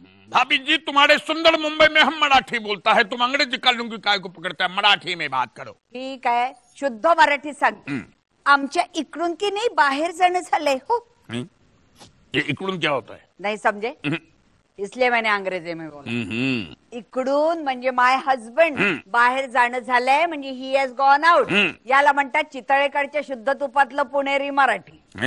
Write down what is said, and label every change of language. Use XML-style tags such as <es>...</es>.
<hi>भाभी जी तुम्हारे सुंदर मुंबई में हम मराठी बोलता है, तुम अंग्रेजी कर लूंगी काय को पकड़ता है, मराठी में बात करो.</hi> <mr>ठीक आहे, शुद्ध मराठी सांग. आमच्या इकडून की नाही बाहेर जाणं झालंय हो.</mr> <hi>इकडून क्या होता है?</hi> <mr>नाही समजे,</mr> <hi>इसलिए मैंने अंग्रेजी में बोला.</hi> <mr>इकडून म्हणजे</mr> <en>My husband.</en> <mr>बाहेर जाणं झालंय म्हणजे</mr> <en>He has gone out.</en> <mr>याला म्हणतात चितळेकडच्या शुद्ध तुपातलं पुणेरी मराठी.</mr>